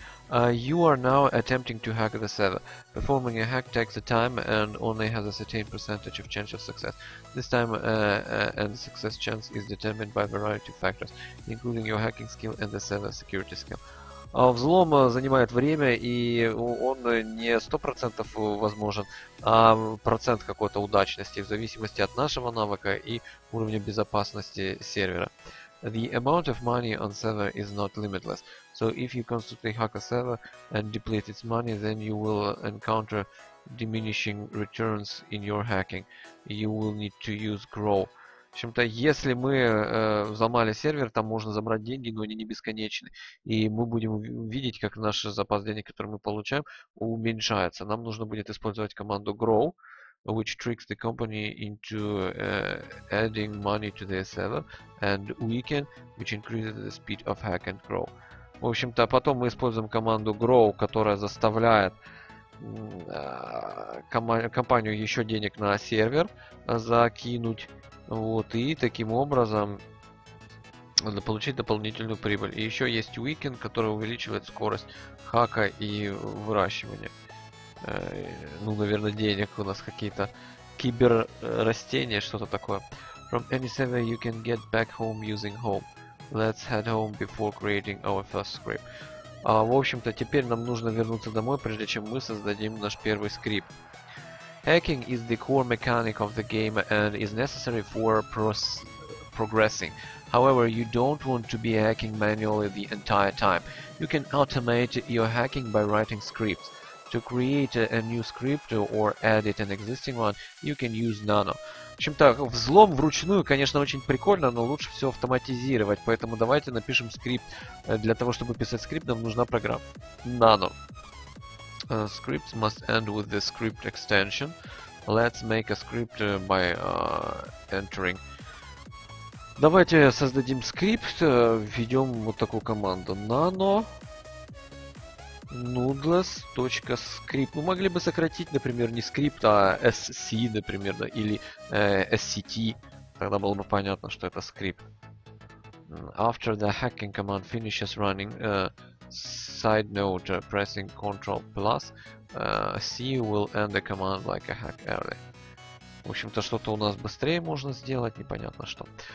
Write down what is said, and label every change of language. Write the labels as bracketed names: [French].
[English] You are now attempting to hack the server. Performing a hack takes a time and only has a certain percentage of chance of success. This time and success chance is determined by a variety of factors, including your hacking skill and the server security skill. [Russian] Взлом занимает время, и он не 100% возможен, а процент какой-то удачности в зависимости от нашего навыка и уровня безопасности сервера. [English] The amount of money on server is not limitless. So if you constantly hack a server and deplete its money, then you will encounter diminishing returns in your hacking. You will need to use grow. [Russian] В общем-то, если мы взломали сервер, там можно забрать деньги, но они не бесконечны. И мы будем видеть, как наш запас денег, который мы получаем, уменьшается. Нам нужно будет использовать команду grow, [English] which tricks the company into adding money to their server, and weaken, which increases the speed of hack and grow. [Russian] В общем-то, потом мы используем команду grow, которая заставляет компанию еще денег на сервер закинуть. Вот, и таким образом надо получить дополнительную прибыль. И еще есть Weekend, который увеличивает скорость хака и выращивания. Ну, наверное, денег у нас какие-то киберрастения, что-то такое. [English] From any server you can get back home using home. Let's head home before creating our first script. [Russian] А, в общем-то, теперь нам нужно вернуться домой, прежде чем мы создадим наш первый скрипт. [English] Hacking is the core mechanic of the game and is necessary for progressing. However, you don't want to be hacking manually the entire time. You can automate your hacking by writing scripts. To create a new script or edit an existing one, you can use Nano. [Russian] В общем-то, взлом вручную, конечно, очень прикольно, но лучше все автоматизировать. Поэтому давайте напишем скрипт. Для того, чтобы писать скрипт, нам нужна программа Nano. [English] Scripts must end with the script extension. Let's make a script by entering. [Russian] Давайте создадим скрипт, введем вот такую команду nano noodles.script. Мы могли бы сократить, например, не скрипт, а sc, например, да, или sct. Тогда было бы понятно, что это скрипт. [English] After the hacking command finishes running, side note, pressing Ctrl plus C will end the command like a hack early. [Russian] В общем-то, что-то у нас быстрее можно сделать, непонятно что.